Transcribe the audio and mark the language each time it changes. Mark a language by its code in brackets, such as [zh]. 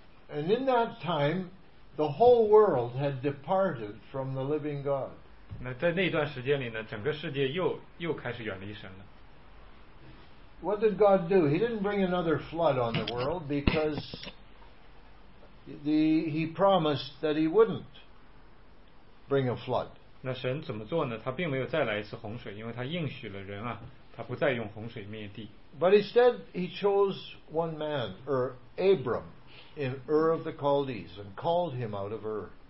[en] And in that time, the whole world had departed from the living God. [zh] 那在那段时间里呢，整个世界又开始远离神了。 [en] What did God do? He didn't bring another flood on the world because he promised that he wouldn't bring a flood. [zh] 那神怎么做呢？他并没有再来一次洪水，因为他应许了人啊，他不再用洪水灭地。 [en] But instead, he chose one man, Abram, in Ur of the Chaldees, and called him out of Ur.